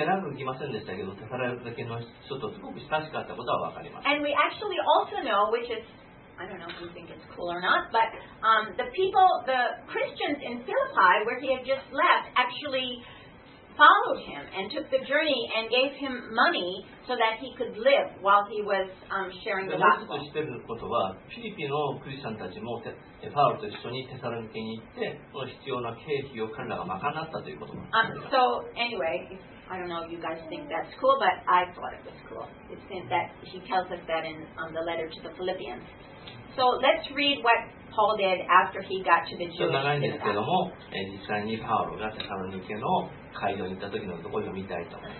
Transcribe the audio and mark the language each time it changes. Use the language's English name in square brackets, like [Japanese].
[English] And we actually also know, which is, I don't know if you think it's cool or not, but the Christians in Philippi, where he had just left, actually followed him and took the journey and gave him money so that he could live while he was sharing the gospel. [Japanese] もう一つ知ってることは、フィリピのクリスチャンたちもパウロと一緒にテサロニケに行って、その必要な経費を彼らが賄ったということも。 [English] So anyway. I don't know if you guys think that's cool, but I thought it was cool. It's in that he tells us that in the letter to the Philippians. So let's read what Paul did after he got to the Jewish synagogue.